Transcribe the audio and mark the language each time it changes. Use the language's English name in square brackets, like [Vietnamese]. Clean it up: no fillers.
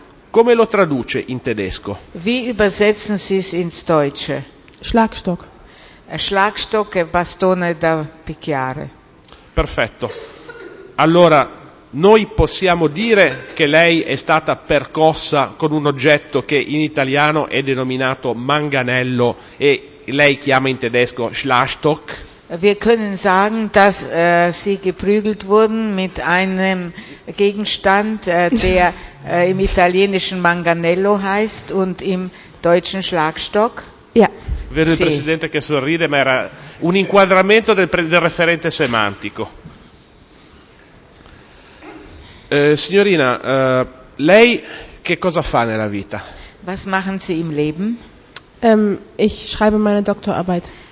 [Italian] Come lo traduce in tedesco? [German] Wie übersetzen Sie es ins Deutsche? Schlagstock. [Italian] Schlagstock e bastone da picchiare. Perfetto. Allora, noi possiamo dire che lei è stata percossa con un oggetto che in italiano è denominato manganello e lei chiama in tedesco Schlagstock? [German] Wir können sagen, dass sie geprügelt wurden mit einem Gegenstand, der im Italienischen Manganello heißt und im Deutschen Schlagstock. Ja. [Italian] Vedo il presidente che sorride, ma era un inquadramento del referente semantico. Signorina, lei che cosa fa nella vita? [German] Was machen Sie im Leben? Ich schreibe meine Doktorarbeit.